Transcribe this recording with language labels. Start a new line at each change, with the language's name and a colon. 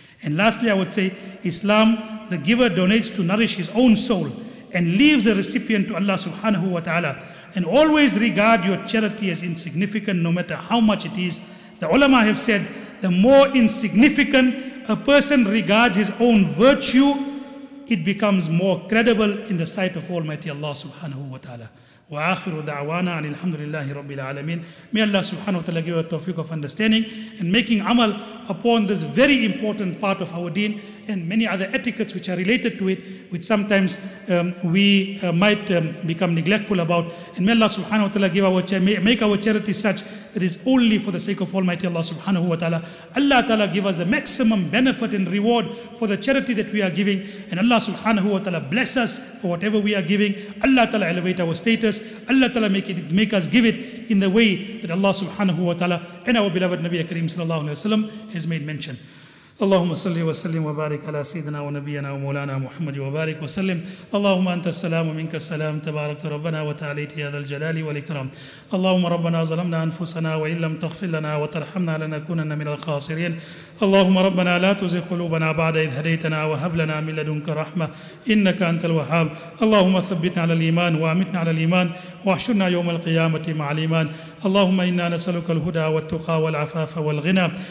English: And lastly, I would say, Islam, the giver donates to nourish his own soul and leaves the recipient to Allah subhanahu wa ta'ala. And always regard your charity as insignificant, no matter how much it is. The ulama have said, the more insignificant a person regards his own virtue, it becomes more credible in the sight of Almighty Allah subhanahu wa ta'ala.
Arabic: وآخر دعوانا أن الحمد لله رب العالمين.
English: May Allah subhanahu wa ta'ala give you the tawfiq of understanding and making amal upon this very important part of our deen and many other etiquettes which are related to it, which sometimes we might become neglectful about. And may Allah subhanahu wa ta'ala make our charity such that is only for the sake of Almighty Allah subhanahu wa ta'ala. Allah ta'ala give us the maximum benefit and reward for the charity that we are giving. And Allah subhanahu wa ta'ala bless us for whatever we are giving. Allah ta'ala elevate our status. Allah ta'ala make us give it in the way that Allah subhanahu wa ta'ala and our beloved Nabi Kareem sallallahu alayhi wa sallam has made mention.
Arabic: اللهم صل وسلم وبارك على سيدنا ونبينا ومولانا محمد وبارك وسلم اللهم انت السلام ومنك السلام تبارك ربنا وتعاليت يا ذا الجلال والاكرام اللهم ربنا ظلمنا انفسنا وان لم تغفر لنا وترحمنا لنكونن من الخاسرين اللهم ربنا لا تزغ قلوبنا بعد إذ هديتنا وهب لنا من لدنك رحمة إنك أنت الوهاب اللهم ثبتنا على الإيمان وأمتنا على الإيمان واحشرنا يوم القيامة مع الإيمان اللهم إنا نسألك الهدى والتقى والعفاف والغنى